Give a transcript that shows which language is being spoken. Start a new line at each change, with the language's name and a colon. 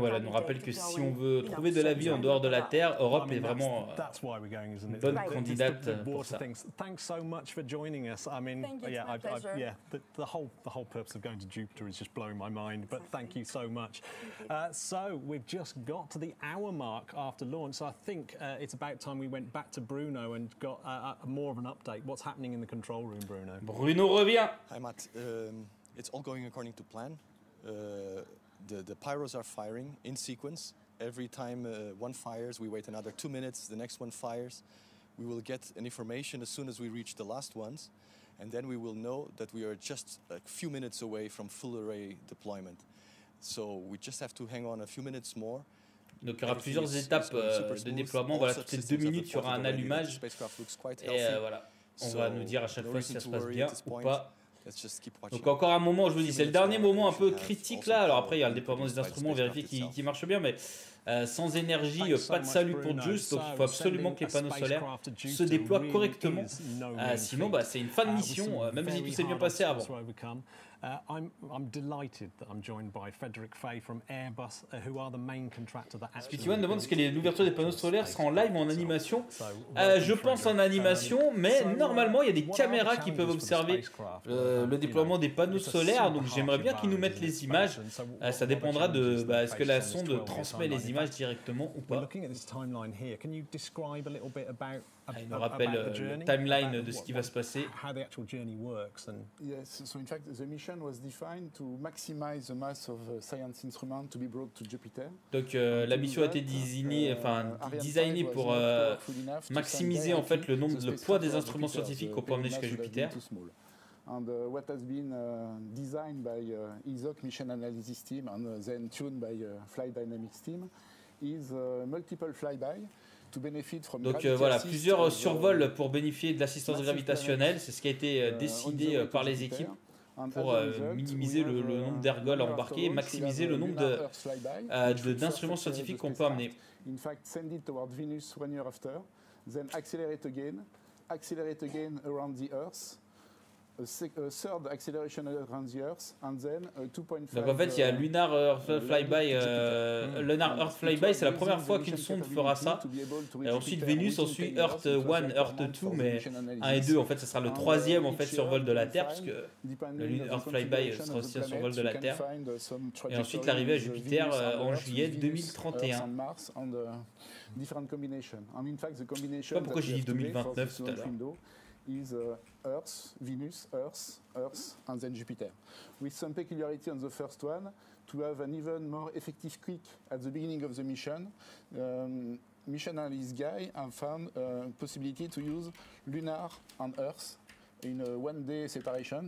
French: Voilà, nous rappelle que si on veut trouver de la vie en dehors de la Terre, Europe est vraiment une bonne candidate pour ça.
English: Thanks so much for joining us. I mean, the whole purpose of going to Jupiter is just blowing my mind, but thank you so much. So we've just got to the hour mark after launch, so I think it's about time we went back to Bruno and got more of an update. What's happening in the control room, Bruno?
French: Bruno revient.
English: Hi Matt. It's all going according to plan. The pyros are firing in sequence. Every time one fires, we wait another 2 minutes. The next one fires. We will get an information as soon as we reach the last ones. And then we will know that we are just a few minutes away from full array deployment. So we just have to hang on a few minutes more.
French: Donc il y aura plusieurs étapes de déploiement. Voilà, toutes ces 2 minutes, il y aura un allumage. Et voilà, on va nous dire à chaque fois si ça se passe bien ou pas. Donc encore un moment, je vous dis, c'est le dernier moment un peu critique là. Alors après, il y a le déploiement des instruments, vérifier qu'ils marchent bien, mais sans énergie, pas de salut pour Juice. Donc il faut absolument que les panneaux solaires se déploient correctement. Sinon, c'est une fin de mission, même si tout s'est bien passé avant.
English: I'm delighted that I'm joined by Frederick Fay from Airbus, who are the main contractor that actually.
French: Spitwan demande ce que l'ouverture des panneaux solaires sera en live ou en animation. Je pense en animation, mais normalement il y a des caméras qui peuvent observer le déploiement des panneaux solaires, donc j'aimerais bien qu'ils nous mettent les images. Ça dépendra de est-ce que la sonde transmet les images directement ou pas. Il nous rappelle le timeline de ce qui va se passer.
English: How the actual journey works and yes, so in fact, the mission was defined to maximize the mass of science instruments to be brought to Jupiter.
French: Donc la mission a été designée pour maximiser en fait le nombre, le poids des instruments scientifiques qu'on peut emmener jusqu'à Jupiter.
English: And what has been designed by ESOC mission analysis team and then tuned by flight dynamics team is multiple flyby.
French: Donc voilà, plusieurs survols pour bénéficier de l'assistance gravitationnelle, c'est ce qui a été décidé par les équipes pour minimiser le nombre d'ergols embarqués et maximiser le nombre d'instruments scientifiques qu'on peut amener.
English: In fact, send it toward Venus 1 year after, then accelerate again accelerate again around the Earth, a third acceleration around the Earth, and then 2.5.
French: Donc en fait, il y a Lunar Earth Flyby. Lunar Earth Flyby, c'est la première fois qu'une sonde fera ça. Et ensuite, Vénus, ensuite Earth 1, Earth 2, mais 1 et 2, en fait, ce sera le troisième en fait, survol de la Terre, puisque le Lunar Earth Flyby sera aussi un survol de la Terre. Et ensuite, l'arrivée à Jupiter en juillet 2031. Je ne sais pas pourquoi j'ai dit 2029 tout à l'heure.
English: Is Earth, Venus, Earth, and then Jupiter. With some peculiarity on the first one, to have an even more effective kick at the beginning of the mission, mission analyst guy have found a possibility to use lunar and Earth in a one-day separation.